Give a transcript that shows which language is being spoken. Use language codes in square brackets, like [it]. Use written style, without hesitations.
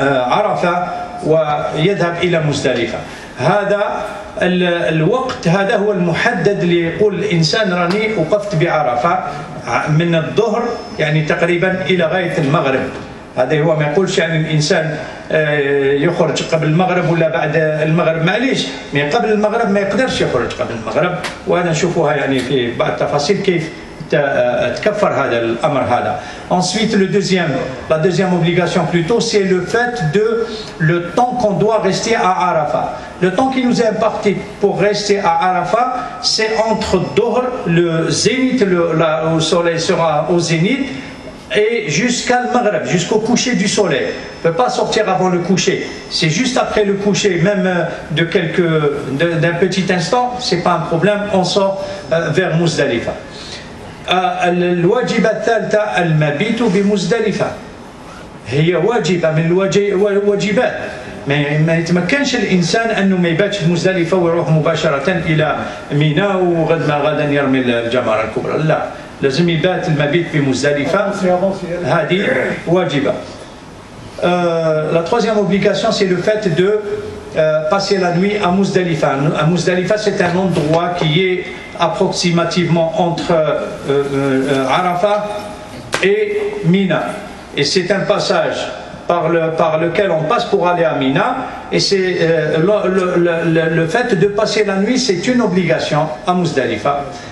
[ar] عرفة ويذهب إلى مزدلفة هذا الوقت هذا هو المحدد ليقول الإنسان راني وقفت بعرفة من الظهر يعني تقريبا إلى غاية المغرب هذا هو ما يقولش يعني الإنسان يخرج قبل المغرب ولا بعد المغرب معليش من قبل المغرب ما يقدرش يخرج قبل المغرب وأنا أشوفها يعني في بعض التفاصيل كيف تكفر هذا الأمر هذا. [fr] Ensuite, le deuxième, la deuxième obligation plutôt, c'est le fait de le temps qu'on doit rester à Arafat. Le temps qui nous est imparti pour rester à Arafat, c'est entre Dohr, le zénith, le soleil sera au zénith, et jusqu'à le Maghreb, jusqu'au coucher du soleil. On ne peut pas sortir avant le coucher. C'est juste après le coucher, même d'un petit instant, ce n'est pas un problème, on sort vers Muzdalifa. [ar] الواجبة الثالثة المبيت بمزدلفة هي واجبة من الواجبات ما يتمكنش الإنسان أنه ما يباتش في مزدلفة ويروح مباشرة إلى ميناء وغد ما غدا يرمي الجمارة الكبرى لا لازم يبات المبيت بمزدلفة هذه واجبة [fr] la troisième obligation c'est le fait de passer la nuit à Muzdalifa. À Muzdalifa, c'est un endroit qui est approximativement entre Arafat et Mina. Et c'est un passage par lequel on passe pour aller à Mina. Et c'est le fait de passer la nuit, c'est une obligation à Muzdalifa.